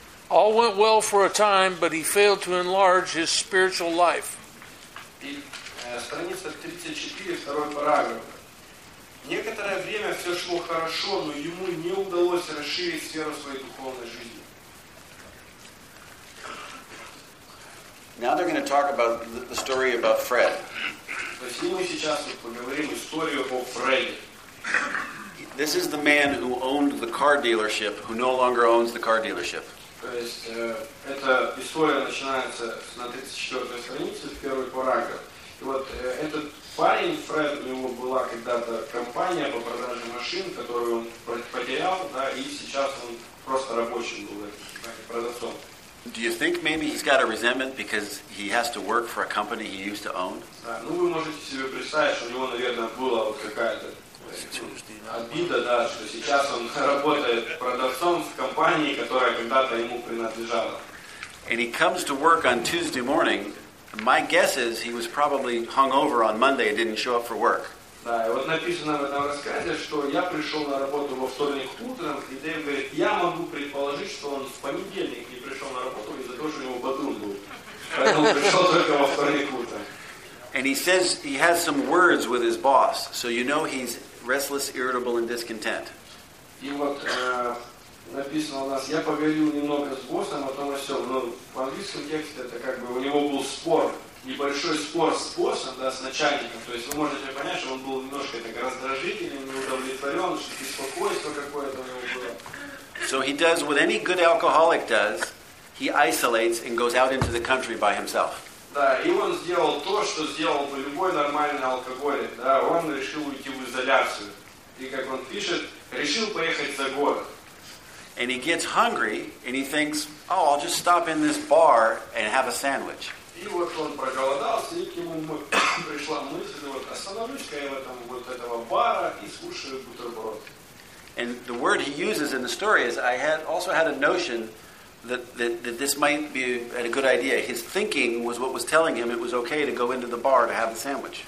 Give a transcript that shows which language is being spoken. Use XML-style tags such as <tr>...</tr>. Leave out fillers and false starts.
<en>All went well for a time, but he failed to enlarge his spiritual life.</en> <ru>Страница 34, второй параграф. Некоторое время все шло хорошо, но ему не удалось расширить сферу своей духовной жизни.</ru> <en>Now they're going to talk about the story about Fred.</en> <ru>То есть мы сейчас поговорим историю о Фреде.</ru> <en>This is the man who owned the car dealership, who no longer owns the car dealership.</en> <ru>То есть эта история начинается на 34 странице, в первый параграф. Вот этот парень, Фред, у него была когда-то компания по продаже машин, которую он потерял, да, и сейчас он просто рабочим был, продавцом.</ru> <en>Do you think maybe he's got a resentment because he has to work for a company he used to own?</en> <ru>Да, ну вы можете себе представить, что у него, наверное, была вот какая-то обида, да, что сейчас он работает продавцом в компании, которая когда-то ему принадлежала.</ru> <en>And he comes to work on Tuesday morning. My guess is he was probably hung over on Monday and didn't show up for work.</en> <ru>Да, и вот написано в этом рассказе, что я пришел на работу во вторник утром, и Дэйв говорит, я могу предположить, что он в понедельник не пришел на работу из-за того, что у него бодрун был. Поэтому пришел только во вторник утром.</ru> <en>And he says he has some words with his boss, so you know he's restless, irritable, and discontent.</en> <ru>И вот написано у нас, я поговорил немного с боссом о том, о сём, но в английском тексте это как бы у него был спор, небольшой спор с боссом, да, с начальником. То есть вы можете понять, что он был немножко так раздражительным, неудовлетворён, что беспокойство какое-то у него было.</ru> <en>So he does what any good alcoholic does, he isolates and goes out into the country by himself.</en> <ru>Да, и он сделал то, что сделал бы любой нормальный алкоголик, да, он решил уйти в изоляцию. И как он пишет, решил поехать за город.</ru> <en>And he gets hungry, and he thinks, oh, I'll just stop in this bar and have a sandwich.</en> <ru>И вот он проголодался, и к нему пришла мысль, вот остановлюсь-ка я в этом вот этого бара и скушаю бутерброд.</ru> <en>And the word he uses in the story is, I had also had a notion that this might be a good idea. His thinking was what was telling him it was okay to go into the bar to have a sandwich.</en>